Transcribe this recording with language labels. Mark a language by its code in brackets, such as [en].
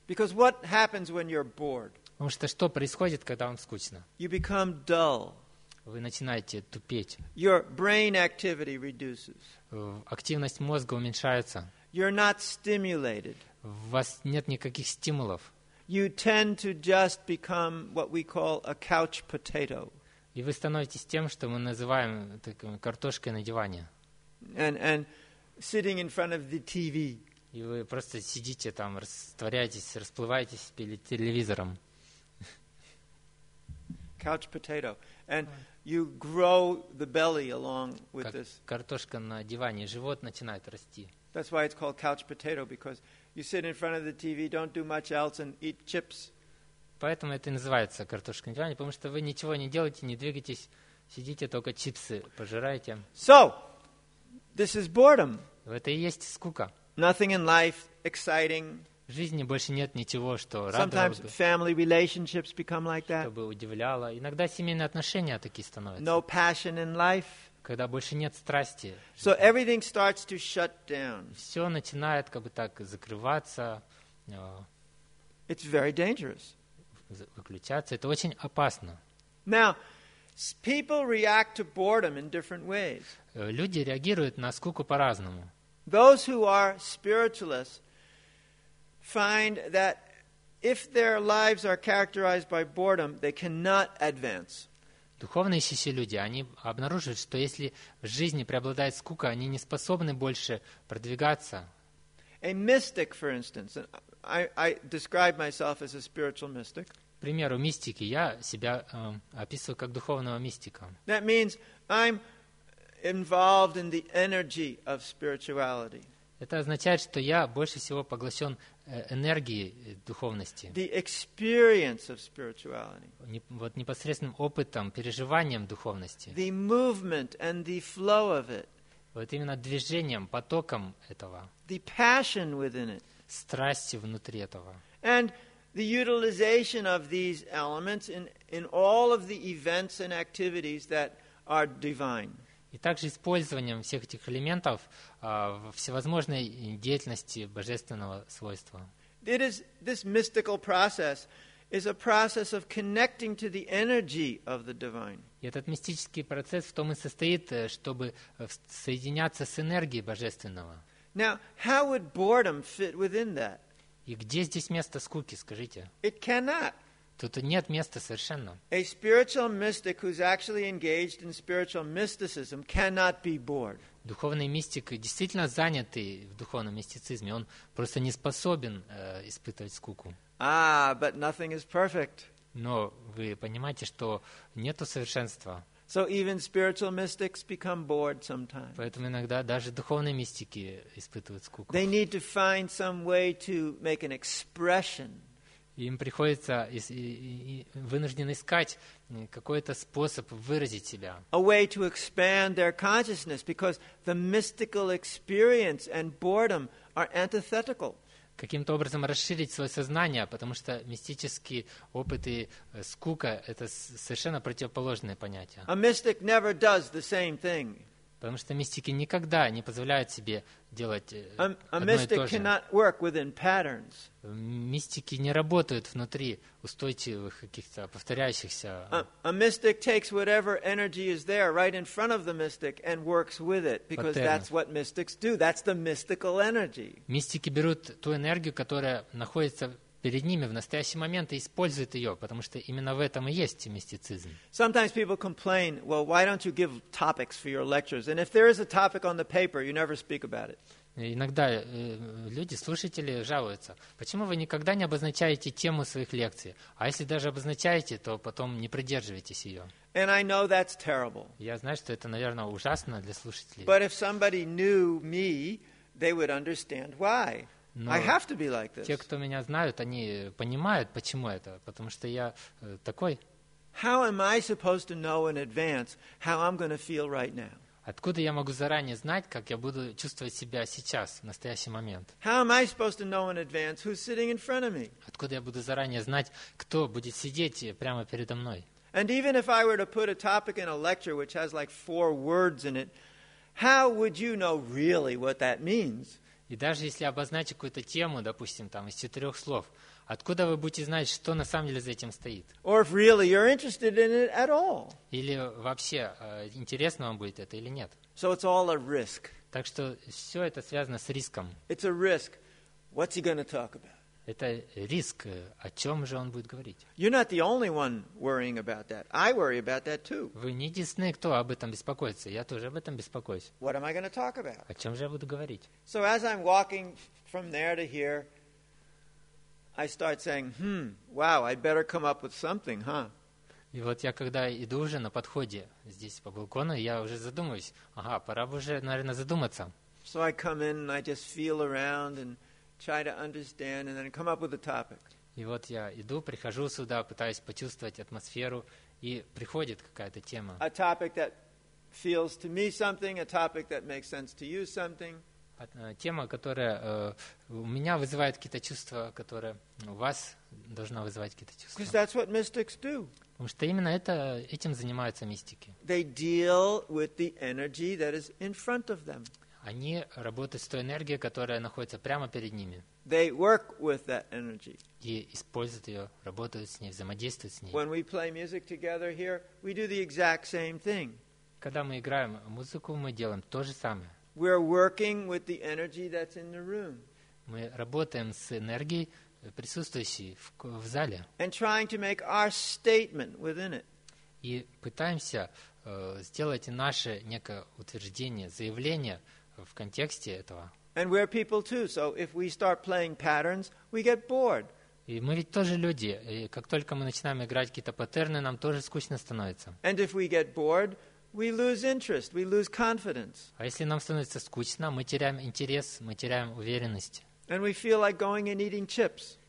[en] Because what happens when you're bored? [ru] Потому что что происходит, когда вам скучно? [en] You become dull. [ru] Вы начинаете тупеть. [en] Your brain activity reduces. [ru] Активность мозга уменьшается. [en] You're not stimulated. [ru] У вас нет никаких стимулов. [en] You tend to just become what we call a couch potato. [ru] И вы становитесь тем, что мы называем таким картошкой на диване. [en] And sitting in front of the TV. [ru] И вы просто сидите там, растворяетесь, расплываетесь перед телевизором. [en] Couch potato. And you grow the belly along with this. [ru] Картошка на диване, живот начинает расти. [en] That's why it's called couch potato, because you sit in front of the TV, don't do much else, and eat chips. [ru] Поэтому это и называется картошка на диване, потому что вы ничего не делаете, не двигаетесь, сидите, только чипсы пожираете. [en] So! This is boredom. [ru] Это и есть скука. [en] Nothing in life exciting. [ru] В жизни больше нет ничего, что радовало бы. [en] Sometimes family relationships become like that. [ru] Чтобы удивляло. Иногда семейные отношения такие становятся. [en] No passion in life. [ru] Когда больше нет страсти. [en] So everything starts to shut down. [ru] Все начинает как бы так закрываться. [en] It's very dangerous. [ru] Выключаться. Это очень опасно. [en] Now, people react to boredom in different ways. [ru] Люди реагируют на скуку по-разному. [en] Those who are spiritualists find that if their lives are characterized by boredom, they cannot advance. [ru] Духовно ищущие люди, они обнаруживают, что если в жизни преобладает скука, они не способны больше продвигаться. [en] A mystic, for instance, I describe myself as a spiritual mystic. [ru] К примеру, мистики, я себя описываю как духовного мистика. [en] That means I'm involved in the energy of spirituality. [ru] Это означает, что я больше всего поглощен энергией духовности. [en] The experience of spirituality. [ru] Вот непосредственным опытом, переживанием духовности. [en] The movement and the flow of it. [ru] Вот именно движением, потоком этого. [en] The passion within it. [ru] Страсти внутри этого. [en] And the utilization of these elements in all of the events and activities that are divine. [ru] И также использованием всех этих элементов в всевозможной деятельности божественного свойства. [en] It is, this mystical process is a process of connecting to the energy of the divine. [ru] И этот мистический процесс в том и состоит, чтобы соединяться с энергией божественного. [en] Now, how would boredom fit within that? [ru] И где здесь место скуки, скажите? [en] It cannot. [ru] Тут нет места совершенно. [en] A spiritual mystic who's actually engaged in spiritual mysticism cannot be bored. [ru] Духовный мистик, действительно занятый в духовном мистицизме, он просто не способен испытывать скуку. [en] Ah, but nothing is perfect. [ru] Но вы понимаете, что нету совершенства. [en] So even spiritual mystics become bored sometimes. [ru] Поэтому иногда даже духовные мистики испытывают скуку. [en] They need to find some way to make an expression. [ru] Им приходится вынужден искать какой-то способ выразить себя. [en] A way to expand their consciousness, because the mystical experience and boredom are antithetical. [ru] Каким-то образом расширить свое сознание, потому что мистический опыт и скука – это совершенно противоположные понятия. [en] A mystic never does the same thing. [ru] Потому что мистики никогда не позволяют себе делать одно и то же. [en] A mystic cannot work within patterns. [ru] Мистики не работают внутри устойчивых каких-то повторяющихся. [en] A mystic takes whatever energy is there right in front of the mystic and works with it, because that's what mystics do. That's the mystical energy. [ru] Мистики берут ту энергию, которая находится перед ними в настоящий момент, и используют ее, потому что именно в этом и есть мистицизм. [en] Sometimes people complain, well, why don't you give topics for your lectures? And if there is a topic on the paper, you never speak about it. [ru] Иногда люди, слушатели жалуются, почему вы никогда не обозначаете тему своих лекций? А если даже обозначаете, то потом не придерживаетесь ее. [en] And I know that's terrible. [ru] Я знаю, что это, наверное, ужасно для слушателей. [en] But if somebody knew me, they would understand why. [ru] Но [en] I have to be like this. [ru] Те, кто меня знают, они понимают, почему это, потому что я такой. [en] How am I supposed to know in advance how I'm going to feel right now? [ru] Откуда я могу заранее знать, как я буду чувствовать себя сейчас, в настоящий момент? [en] How am I supposed to know in advance who's sitting in front of me? [ru] Откуда я буду заранее знать, кто будет сидеть прямо передо мной? [en] And even if I were to put a topic in a lecture which has like four words in it, how would you know really what that means? [ru] И даже если обозначить какую-то тему, допустим, там, из четырех слов, откуда вы будете знать, что на самом деле за этим стоит? [en] Or if really you're interested in it at all. [ru] Или вообще, интересно вам будет это или нет? [en] So it's all a risk. [ru] Так что все это связано с риском. [en] It's a risk. What's he gonna talk about? [ru] Это риск. О чем же он будет говорить? [en] You're not the only one worrying about that. I worry about that too. [ru] Вы не единственный, кто об этом беспокоится. Я тоже об этом беспокоюсь. [en] What am I going to talk about? [ru] О чем же я буду говорить? [en] So as I'm walking from there to here, I start saying, wow, I'd better come up with something, huh? [ru] И вот я когда иду уже на подходе здесь по балкону, я уже задумываюсь. Ага, пора бы уже, наверное, задуматься. [en] So I come in and I just feel around and try to understand and then come up with a topic. [ru] И вот я иду, прихожу сюда, пытаюсь почувствовать атмосферу, и приходит какая-то тема. [en] A topic that feels to me something, a topic that makes sense to you something. [ru] Тема, которая у меня вызывает какие-то чувства, которая у вас должна вызывать какие-то чувства. [en] Because that's what mystics do. [ru] Потому что именно этим занимаются мистики. [en] They deal with the energy that is in front of them. [ru] Они работают с той энергией, которая находится прямо перед ними. [en] They work with that energy. [ru] И используют ее, работают с ней, взаимодействуют с ней. [en] When we play music together here, we do the exact same thing. [ru] Когда мы играем музыку, мы делаем то же самое. [en] We're working with the energy that's in the room. [ru] мы работаем с энергией, присутствующей в зале. [en] And trying to make our statement within it. [ru] И пытаемся сделать наше некое утверждение, заявление в контексте этого. [en] And we're people too, so if we start playing patterns, we get bored. [ru] И мы ведь тоже люди, и как только мы начинаем играть какие-то паттерны, нам тоже скучно становится. [en] And if we get bored, we lose interest, we lose confidence. [ru] А если нам становится скучно, мы теряем интерес, мы теряем уверенность. [en] And we feel like going and eating chips.